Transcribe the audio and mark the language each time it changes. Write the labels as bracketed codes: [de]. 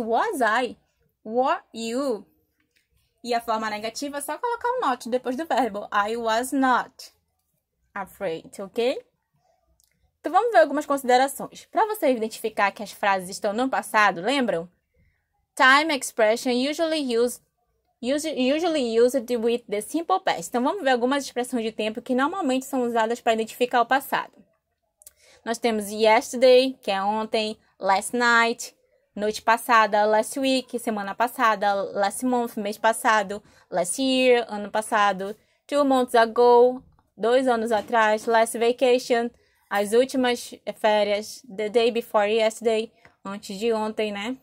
[en] Was I, were you. [pt] E a forma negativa é só colocar o not depois do verbo. [en] I was not afraid, ok? [pt] Então, vamos ver algumas considerações. Para você identificar que as frases estão no passado, lembram? [en] Time expression usually used with the simple past. [pt] Então, vamos ver algumas expressões de tempo que normalmente são usadas para identificar o passado. Nós temos yesterday, que é ontem, last night, noite passada, last week, semana passada, last month, mês passado, last year, ano passado, 2 months ago, 2 anos atrás, last vacation, as últimas férias, the day before yesterday, antes de ontem, né?